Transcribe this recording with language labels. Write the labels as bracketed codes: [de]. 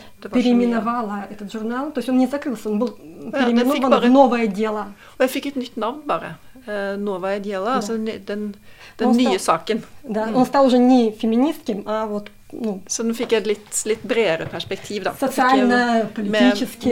[ru] Переименовала этот журнал, то есть он не закрылся, он был переименован в новое дело. [no] Og jeg fikk et nytt navn bare. Новое дело, altså den nye saken. [ru] Да, он стал уже не феминистским, а вот... [no] Så den fikk et litt bredere perspektiv da. [ru] Социально-политическим.